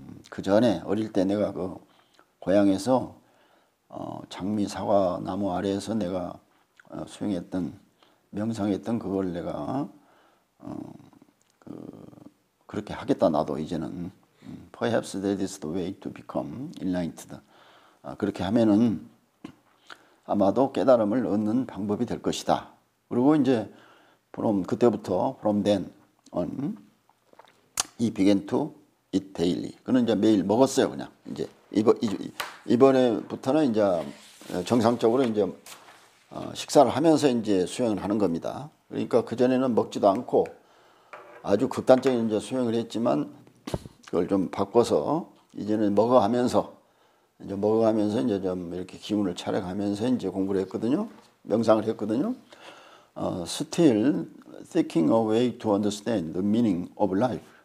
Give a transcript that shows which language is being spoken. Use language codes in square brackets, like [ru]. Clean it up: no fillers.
[ko] 그 전에 어릴 때 내가 그 고향에서 장미 사과 나무 아래에서 내가 수행했던 명상했던 그걸 내가 그렇게 하겠다 나도 이제는. [en] Perhaps that is the way to become enlightened. [ko] 그렇게 하면은 아마도 깨달음을 얻는 방법이 될 것이다. 그리고 이제 [en] from [ko] 그때부터 [en] from then on, he began to eat daily. [ko] 그는 이제 매일 먹었어요 그냥 이제 이번에부터는 이제 정상적으로 이제 식사를 하면서 이제 수행을 하는 겁니다. 그러니까 그 전에는 먹지도 않고 아주 극단적인 이제 수행을 했지만 그걸 좀 바꿔서 이제는 먹어가면서 이제 먹어가면서 이제 좀 이렇게 기운을 차려가면서 이제 공부를 했거든요. 명상을 했거든요. [en] Still thinking a way to understand the meaning of life.